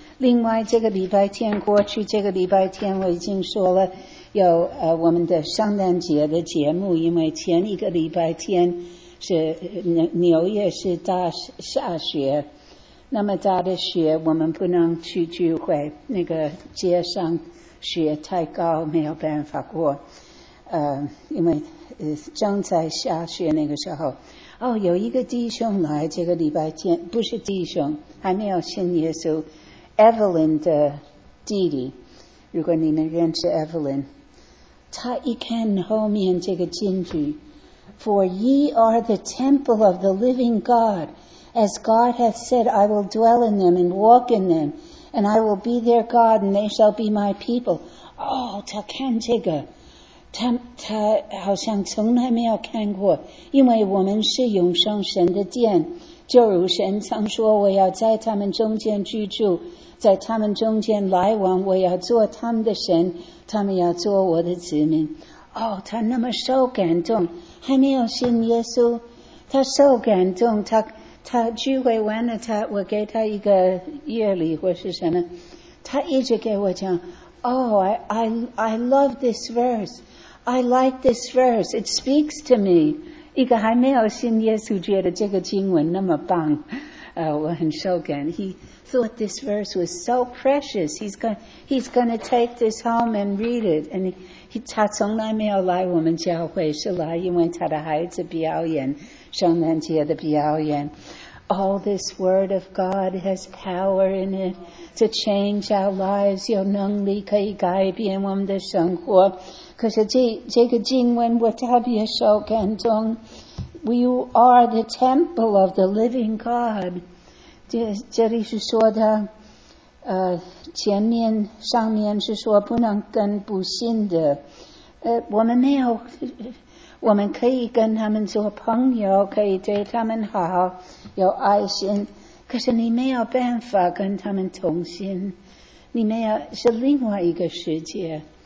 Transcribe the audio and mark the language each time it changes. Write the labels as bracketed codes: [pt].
[zh] 另外，这个礼拜天过去，这个礼拜天我已经说了，有我们的圣诞节的节目，因为前一个礼拜天是纽约是大下雪，那么大的雪，我们不能去聚会，那个街上雪太高，没有办法过，因为正在下雪那个时候。哦，有一个弟兄来，这个礼拜天不是弟兄，还没有信耶稣。 [en] Evelyn [zh] 的弟弟，如果你们认识 Evelyn， 他一看后面这个金句 [en] For ye are the temple of the living God, as God hath said, I will dwell in them and walk in them, and I will be their God, and they shall be my people. [zh] 哦，他看这个，他好像从来没有看过，因为我们是永生神的殿，就如神曾说，我要在他们中间居住，在他们中间来往，我要做他们的神，他们要做我的子民。哦，他那么受感动，还没有信耶稣，他受感动，他聚会完了，我给他一个月礼或是什么，他一直给我讲，哦， [en] I love this verse, I like this verse, it speaks to me。 [zh] 一个还没有信耶稣觉得这个经文那么棒，我很受感。 [en] He thought this verse was so precious. He's gonna take this home and read it. And he [zh] 从来没有来我们教会，是来因为他的孩子表演圣诞节的表演。 [en] All this word of God has power in it to change our lives. [zh] 有能力可以改变我们的生活。可是这个经文我特别受感动。 [en] You are the temple of the living God. [zh] 这里是说的，前面上面是说不能跟不信的。我们没有，我们可以跟他们做朋友，可以对他们好，有爱心。可是你没有办法跟他们同心，你没有，是另外一个世界。